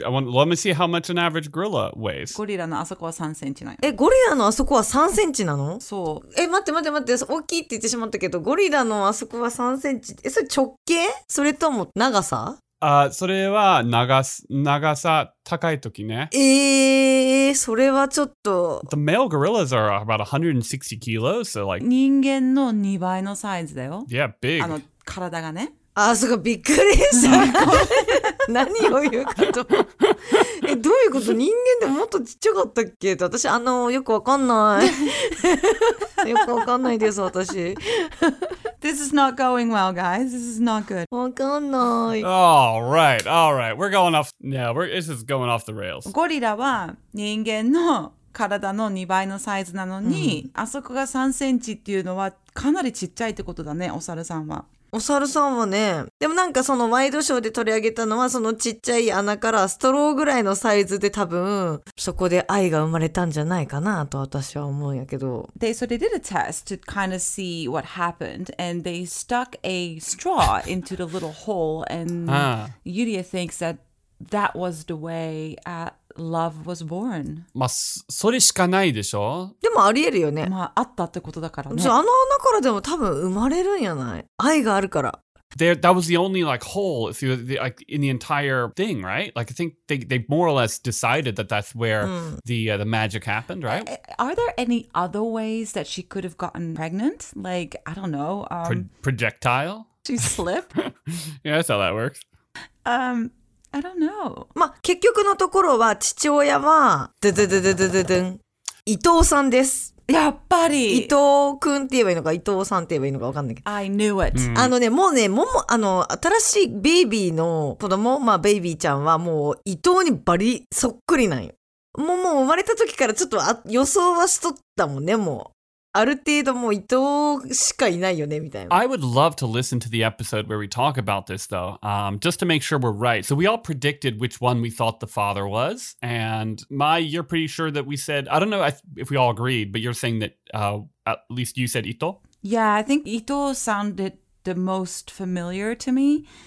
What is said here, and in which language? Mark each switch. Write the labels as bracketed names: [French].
[English] let me see how much an average gorilla weighs. [Japanese] ゴリラのあそこは3センチなの。ゴリラのあそこは3センチなの? そう。待って。大きいって言ってしまったけど、ゴリラのあそこは3センチ。それ直径?それとも長さ? それは長さ高い時ね。それはちょっと。 [English] The male gorillas are about 160 kilos, so like... [Japanese] 人間の2倍のサイズだよ。 [English] Yeah, big. [Japanese] あの、体がね。あ、そうか、びっくりした。何を言うかと。どういうこと?人間でもっとちっちゃかったっけ? って私、よくわかんない。よくわかんないです、私。 [English] This is not going well, guys. This is not good. [Japanese] わかんない。 [English] All right. We're going off... No, this is going off the rails. [Japanese] ゴリラは人間の体の2倍のサイズなのに、あそこが3センチっていうのはかなりちっちゃいってことだね、お猿さんは。お猿さんはね、でもなんかそのワイドショーで取り上げたのは、そのちっちゃい穴からストローぐらいのサイズで多分、そこで愛が生まれたんじゃないかなと私は思うんやけど。 [English] They, so they did a test to kind of see what happened, and they stuck a straw into the little hole, and Yuria thinks that that was the way love was born. [Japanese] まあ、それしかないでしょ? でもありえるよね。まあ、あったってことだからね。じゃあ、あの穴からでも多分生まれるんやない? 愛があるから。 [English] There, that was the only like hole through the, like, in the entire thing, right? Like, I think they more or less decided that that's where the magic happened, right? Are there any other ways that she could have gotten pregnant? Like, I don't know. Projectile? She slip? Yeah, that's how that works. I don't know. [Japanese] まあ、結局のところは父親はドゥドゥドゥドゥドゥドゥドゥン伊藤さんです。やっぱり伊藤くんって言えばいいのか伊藤さんって言えばいいのか分かんないけど。 [English] I knew it. [Japanese] あのね、もうね、新しいベイビーの子供、まあベイビーちゃんはもう伊藤にバリそっくりなんよ。もう生まれた時からちょっと予想はしとったもんね、もう。ある程度もう伊藤しかいないよねみたいな。 [English] I would love to listen to the episode where we talk about this though, just to make sure we're right. So we all predicted which one we thought the father was, and my, you're pretty sure that we said, I don't know if we all agreed, but you're saying that at least you said Ito? Yeah, I think Ito sounded the most familiar to me.